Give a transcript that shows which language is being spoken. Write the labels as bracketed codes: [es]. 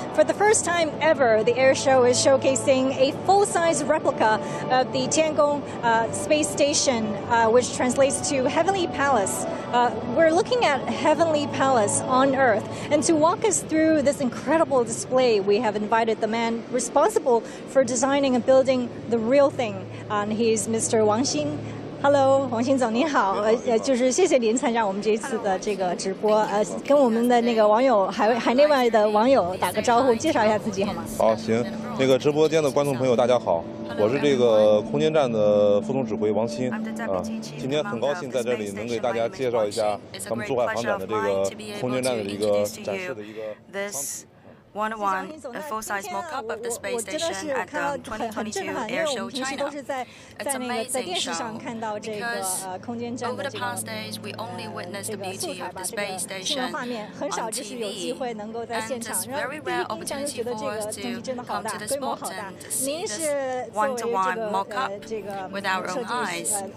[en] For the first time ever, the airshow is showcasing a full-size replica of the Tiangong Space Station, which translates to Heavenly Palace. We're looking at Heavenly Palace on Earth. And to walk us through this incredible display, we have invited the man responsible for designing and building the real thing, and he's Mr. Wang Xin. Hello, Wang Xin [zh] 总您好。就是谢谢您参加我们这次的这个直播。跟我们的那个网友海内外的网友打个招呼，介绍一下自己好吗？好，行。那个直播间的观众朋友，大家好，我是这个空间站的副总指挥王鑫啊，今天很高兴在这里能给大家介绍一下咱们珠海航展的这个空间站的一个展示的一个场景。 [en] One, a full-size mockup of the space station at the 2022 Airshow China. It's amazing show because over the past days, we only witnessed the beauty of the space station on TV, and it's very rare opportunity for us to come to the spot and see this one-to-one mockup with our own eyes.